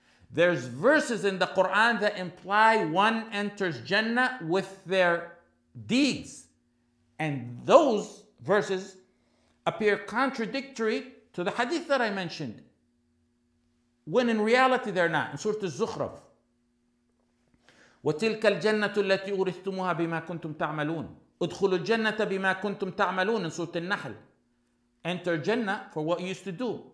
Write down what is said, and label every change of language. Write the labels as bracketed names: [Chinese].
[English] There's verses in the Quran that imply one enters Jannah with their deeds. And those verses appear contradictory to the hadith that I mentioned, when in reality they're not. [Arabic] In Surah Az-Zukhruf, وَتِلْكَ الْجَنَّةُ الَّتِي أُورِثْتُمُهَا بِمَا كُنْتُمْ تَعْمَلُونَ ادْخُلُوا الْجَنَّةَ بِمَا كُنْتُمْ تَعْمَلُونَ. [English] In Surah Al-Nahl, enter Jannah for what you used to do.